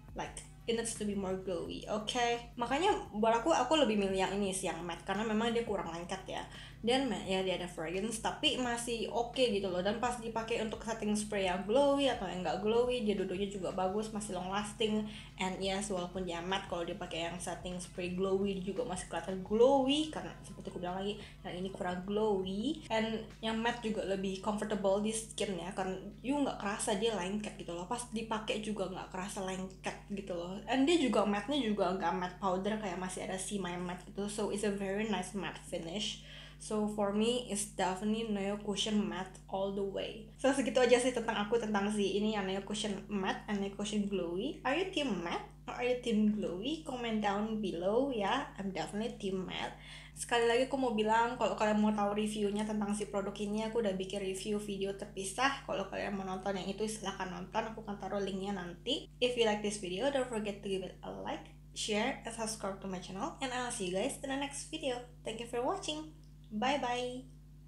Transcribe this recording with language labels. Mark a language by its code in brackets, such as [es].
[en] Like, it needs to be more glowy, okay? [id] Makanya buat aku lebih milih yang ini sih, yang matte, karena memang dia kurang lengket ya. Dan ya dia ada fragrance, tapi masih okay gitu loh. Dan pas dipakai untuk setting spray yang glowy atau yang gak glowy, dia dudunya juga bagus, masih long lasting. [en] And yes, [id] walaupun dia matte, kalau dipakai yang setting spray glowy, dia juga masih kelihatan glowy. Karena seperti aku bilang lagi, yang ini kurang glowy. And yang matte juga lebih comfortable di skin ya, karena you gak kerasa dia lengket gitu loh. Pas dipakai juga gak kerasa lengket gitu loh. And dia juga matte-nya juga gak matte powder, kayak masih ada semi-matte gitu. [en] So it's a very nice matte finish. So for me, it's definitely Neo Cushion Matte all the way. [id] So segitu aja sih tentang aku, tentang si ini yang Neo Cushion Matte and Neo Cushion Glowy. [en] Are you team matte or are you team glowy? Comment down below [id] ya, [en] yeah, I'm definitely team matte. [id] Sekali lagi aku mau bilang, kalau kalian mau tahu reviewnya tentang si produk ini, aku udah bikin review video terpisah. Kalau kalian mau nonton yang itu, silahkan nonton, aku akan taruh linknya nanti. [en] If you like this video, don't forget to give it a like, share, and subscribe to my channel. And I'll see you guys in the next video. Thank you for watching. Bye-bye.